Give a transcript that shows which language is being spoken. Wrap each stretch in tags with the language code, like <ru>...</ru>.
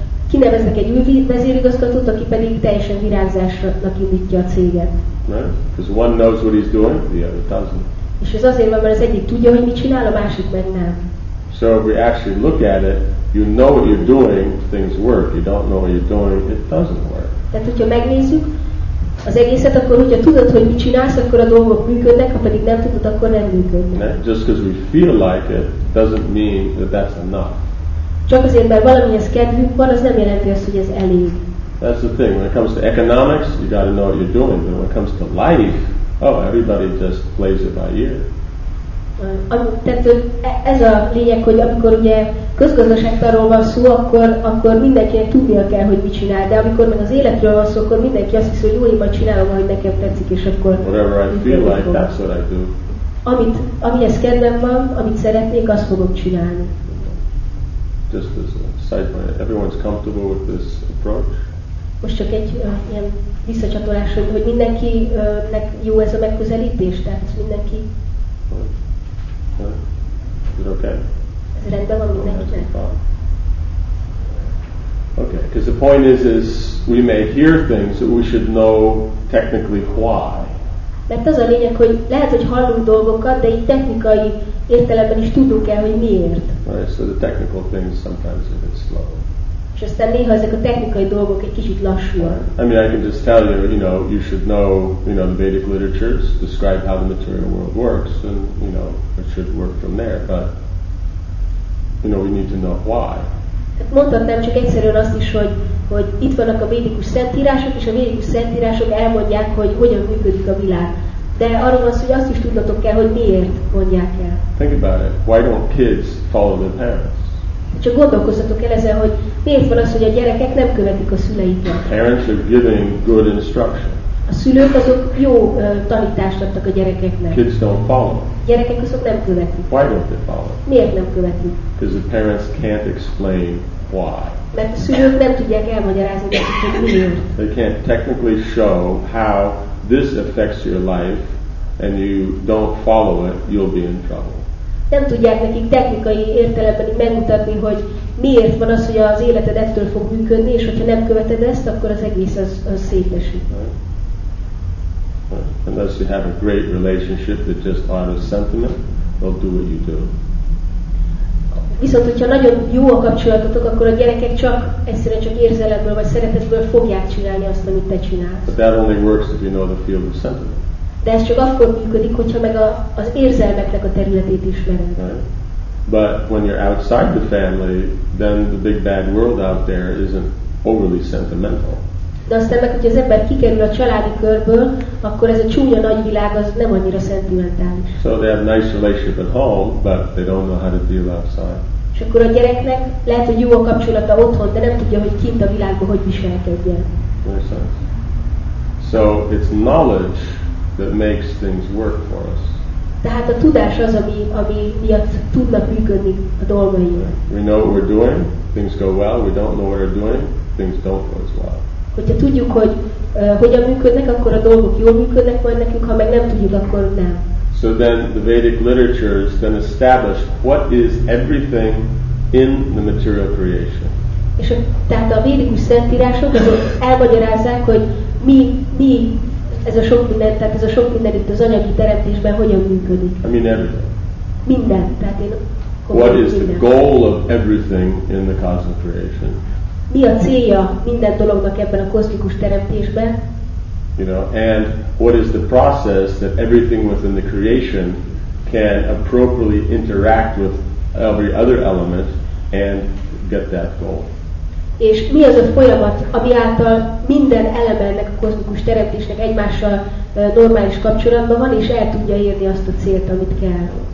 <hu>Kineveznek egy új vezérigazgatót, aki pedig teljesen virágzásnak indítja a céget.</hu> <en>Right? Because one knows what he's doing, the other doesn't.</en> <hu>És ez azért van, mert az egyik tudja, hogy mit csinál, a másik meg nem.</hu> <en>So if we actually look at it, you know what you're doing, things work. You don't know what you're doing, it doesn't work.</en> <hu>Tehát, hogyha megnézzük az egészet, akkor hogyha tudod, hogy mit csinálsz, akkor a dolgok működnek, ha pedig nem tudod, akkor nem működnek.</hu> <en>Just because we feel like it, doesn't mean that that's enough.</en> <hu>Csak azért, mert valamihez kedvünk van, az nem jelenti azt, hogy ez elég.</hu> <en>That's the thing. When it comes to economics, you got to know what you're doing. But when it comes to life, oh, everybody just plays it by ear.</en> <hu>Tehát ez a lényeg, hogy amikor ugye közgazdaságtanról van szó, akkor mindenkinek tudnia kell, hogy mit csinál. De amikor meg az életről van szó, akkor mindenki azt hiszi, hogy jó, én majd csinálom, ahogy nekem tetszik, és akkor...</hu> <en>Whatever I feel like, that's what I do.</en> <hu>Amihez kedvem van, amit szeretnék, azt fogok csinálni.</hu> <en>Just as a side point, everyone's comfortable with this approach.</en> <hu>Most csak egy ilyen visszacsatolás, hogy mindenkinek jó ez a megközelítés, tehát ez mindenki.</hu> <en>Is it okay?</en> <hu>Ez rendben van mindenkinek.</hu> <en>Okay, because the point is we may hear things that we should know technically why.</en> <hu>Mert az a lényeg, hogy lehet, hogy hallunk dolgokat, de így technikai értelemben is tudnunk el, hogy miért.</hu> <en>Right, so the technical things sometimes are a bit slow.</en> <hu>És aztán néha ezek a technikai dolgok egy kicsit lassúak.</hu> <en>I mean, I can just tell you, you know, you should know, you know, the Vedic literatures describe how the material world works, and, you know, it should work from there, but, you know, we need to know why.</en> <hu>Hát mondhatnám csak egyszerűen azt is, hogy itt vannak a védikus szentírások, és a védikus szentírások elmondják, hogy hogyan működik a világ. De arról van szó, hogy azt is tudnotok kell, hogy miért mondják el.</hu> <en>Think about it. Why don't kids follow their parents?</en> <hu>Csak gondolkozzatok el ezen, hogy miért van az, hogy a gyerekek nem követik a szüleiket.</hu> <en>Parents are giving good instruction.</en> <hu>A szülők azok jó tanítást adtak a gyerekeknek.</hu> <en>Kids don't follow.</en> <hu>Gyerekek azok nem követik.</hu> <en>Why don't they follow?</en> <hu>Miért nem követik?</hu> <en>Because the parents can't explain why.</en> <hu>Mert a szülők nem tudják elmagyarázni, hogy miért.</hu> <en>They can't technically show how this affects your life, and you don't follow it, you'll be in trouble.</en> <hu>Nem tudják nekik technikai értelemben megmutatni, hogy miért van az, hogy az életed ettől fog működni, és hogyha nem követed ezt, akkor az egész az szétesik.</hu> <en>Unless you have a great relationship that just out of sentiment, they'll do what you do.</en> <hu>Viszont, hogyha nagyon jó a kapcsolatotok, akkor a gyerekek csak egyszerűen csak érzelemből vagy szeretetből fogják csinálni azt, amit te csinálsz.</hu> <en>But that only works if you know the field of sentiment.</en> <hu>De ez csak akkor működik, hogyha meg az érzelmeknek a területét ismered.</hu> <en>Right. But when you're outside the family, then the big bad world out there isn't overly sentimental.</en> <hu>De aztán meg, hogy az ember kikerül a családi körből, akkor ez a csúnya nagy világ az nem annyira szentimentális.</hu> <en>So they have nice relationship at home, but they don't know how to deal outside.</en> <hu>És akkor a gyereknek lehet, hogy jó a kapcsolata otthon, de nem tudja, hogy kint a világban hogy viselkedjen.</hu> <en>So it's knowledge that makes things work for us.</en> <hu>Tehát a tudás az, ami miatt tudnak működni a dolgaink.</hu> <en>We know what we're doing, things go well. We don't know what we're doing, things don't go as well.</en> <hu>Hogyha tudjuk, hogy hogyan működnek, akkor a dolgok jól működnek majd nekünk, ha meg nem tudjuk, akkor nem.</hu> <en>So then the Vedic literature is then established what is everything in the material creation.</en> <hu>És tehát a védikus szentírások azok elmagyarázzák, hogy mi ez a sok minden, tehát ez a sok minden itt az anyagi teremtésben hogyan működik.</hu> <en>I mean everything.</en> <hu>Minden. Tehát én</hu> <en>what is</en> <hu>minden.</hu> <en>The goal of everything in the cosmic creation?</en> <hu>Mi a célja minden dolognak ebben a kozmikus teremtésben?</hu> <en>You know, and what is the process that everything within the creation can appropriately interact with every other element and get that goal?</en> <hu>És mi az a folyamat, ami által minden elemennek a kozmikus teremtésnek egymással normális kapcsolatban van és el tudja érni azt a célt, amit kell?</hu>